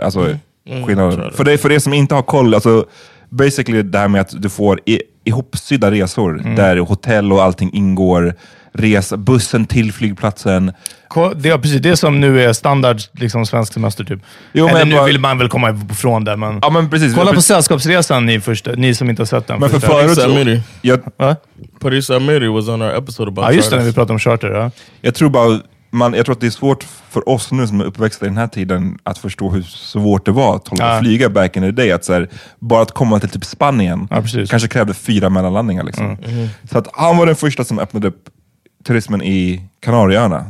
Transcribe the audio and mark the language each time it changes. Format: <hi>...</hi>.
<sv>Alltså, för det som inte har koll, alltså basically det här med att du får ihopsydda resor där hotell och allting ingår, resa bussen till flygplatsen. Det är precis det som nu är standard liksom svensk semester typ. Jo, men nu bara, vill man väl komma ifrån det, men ja, men precis. Kolla på sällskapsresan ni som inte har sett den. Men för första,</sv> <en>Paris Amiri was on our episode about</en> <sv>just det, när vi pratade om charter. Ja. Jag tror att det är svårt för oss nu som är uppväxta i den här tiden att förstå hur svårt det var att hålla och flyga</sv> <en>back in the day.</en> <sv>Att så här, bara att komma till typ Spanien kanske krävde 4 mellanlandningar. Liksom. Mm. Så att han var den första som öppnade upp turismen i Kanarieöarna.</sv>